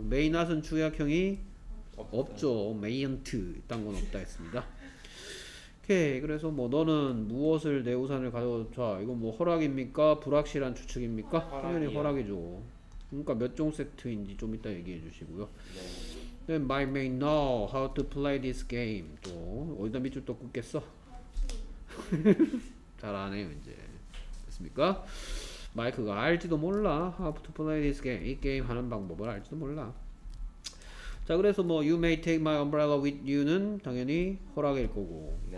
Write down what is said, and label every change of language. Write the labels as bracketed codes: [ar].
[ko] 메인낫은 주약형이 없죠. 메이언트 이딴 건 없다 했습니다. 오케이. 그래서 뭐 너는 무엇을 내 우산을 가져, 자 이건 뭐 허락입니까? 불확실한 추측입니까? 허락이요. 당연히 허락이죠. 그러니까 몇 종 세트인지 좀 이따 얘기해 주시고요. 네. [en] Then I may know how to play this game. [ko] 또 어디다 밑줄 또 긋겠어? 잘 안 해요 이제. 됐습니까? 마이크가 알지도 몰라. [en] How to play this game. [ko] 이 게임 하는 방법을 알지도 몰라. 자 그래서 뭐 [en] You may take my umbrella with you [ko] 는 당연히 허락일 거고. 네.